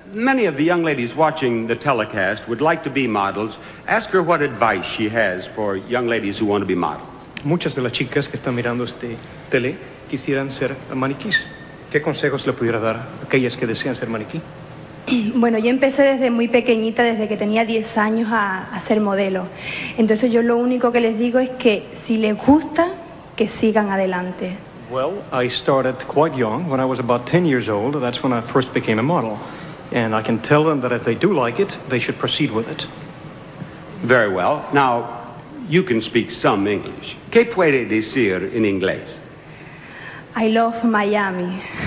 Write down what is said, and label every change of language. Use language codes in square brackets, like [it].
[en] Many of the young ladies watching the telecast would like to be models. Ask her what advice she has for young ladies who want to be models. [es] Muchas de las chicas que están mirando este tele quisieran ser maniquís. ¿Qué consejos le pudiera dar a aquellas que desean ser maniquí? Bueno, yo empecé desde muy pequeñita, desde que tenía 10 años a ser modelo. Entonces yo lo único que les digo es que si les gusta, que sigan adelante. [en] Well, I started quite young. When I was about 10 years old, that's when I first became a model. And I can tell them that if they do like it, they should proceed with it. Very well. Now, you can speak some English. [es] ¿Qué puede decir en inglés? [en] I love Miami.